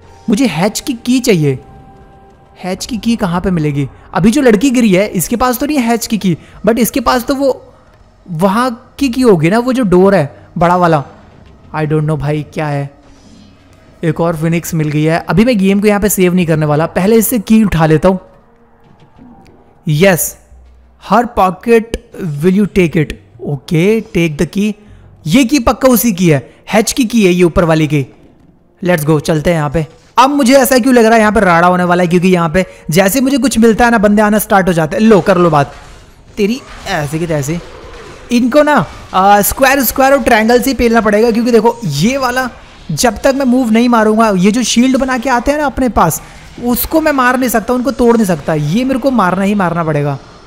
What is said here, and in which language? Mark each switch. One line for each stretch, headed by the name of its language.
Hindi: मुझे हैच की key चाहिए। हैच की key कहाँ पर मिलेगी, अभी जो लड़की गिरी है इसके पास तो नहीं है हैच की key, बट इसके पास तो वो वहाँ की key होगी ना, वो जो door है बड़ा वाला।
English: I don't know
Hindi: भाई क्या है। एक और phoenix मिल गई है, अभी मैं game को यहाँ पर save नहीं करने वाला, पहले इससे key उठा लेता हूँ।
English: Yes, her pocket, will you take it? Okay, take the key.
Hindi: ये key पक्का उसी की है, हैच की है ये ऊपर वाली की।
English: let's go,
Hindi: चलते हैं यहाँ पे। अब मुझे ऐसा क्यों लग रहा है यहाँ पे राड़ा होने वाला है, क्योंकि यहाँ पे जैसे मुझे कुछ मिलता है ना, बंदे आना स्टार्ट हो जाते हैं। लो कर लो बात तेरी, ऐसे की तैसे इनको ना स्क्वायर स्क्वायर और ट्रायंगल से पेलना पड़ेगा, क्योंकि देखो ये वाला जब तक मैं मूव नहीं मारूंगा, ये जो शील्ड बना के आते हैं ना अपने पास, उसको मैं मार नहीं सकता, उनको तोड़ नहीं सकता, ये मेरे को मारना ही मारना पड़ेगा।